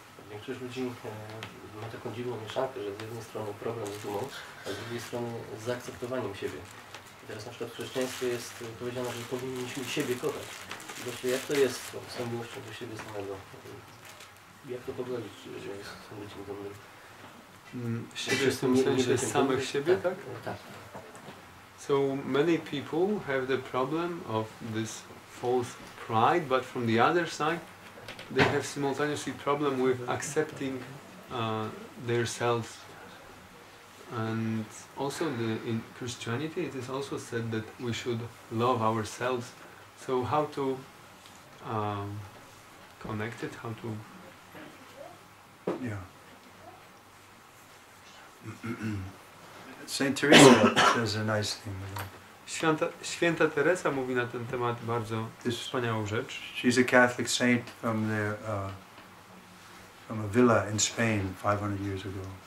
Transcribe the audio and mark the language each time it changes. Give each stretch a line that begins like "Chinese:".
Polish: Większość ludzi ma taką dziwną mieszankę, że z jednej strony problem z dumą, a z drugiej strony z zaakceptowaniem siebie. I teraz na przykład w chrześcijaństwie jest powiedziane, że powinniśmy siebie kochać. I właśnie jak to jest z tą miłością do siebie samego? Jak to pogodzić, że jest z ludźmi dumnym? Siebie w tym sensie samych siebie, tak? Tak.
English: So many people have the problem of this false pride, but from the other side, they have simultaneously problem with accepting their selves. And also in Christianity, it is also said that we should love ourselves. So how to connect it? How to? Yeah. Saint Teresa says a nice thing.
Polish: Święta Teresa mówi na ten temat bardzo wspaniałą rzecz.
English: She's a Catholic saint from the from a villa in Spain 500 years ago.